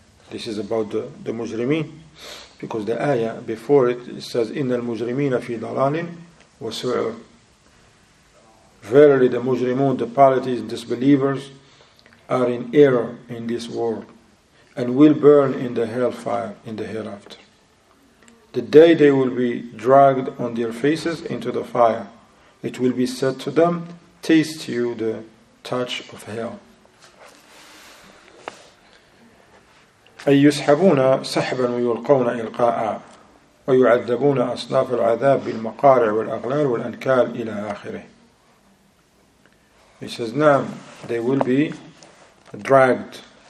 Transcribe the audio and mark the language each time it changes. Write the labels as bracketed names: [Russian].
[English] This is about the مجرمين, because the ayah before it, it says [Arabic] إن المجرمين في ضلال وسعر. [English] Verily the مجرمون, the parties, disbelievers are in error in this world and will burn in the hellfire in the hereafter. The day they will be dragged on their faces into the fire, it will be said to them, taste you the touch of hell. [Arabic] أي يسحبون سحبا ويلقون إلقاء ويعذبون أصناف العذاب بالمقارع والأغلال والأنكال إلى آخره. [English] He says, نعم, they will be dragged.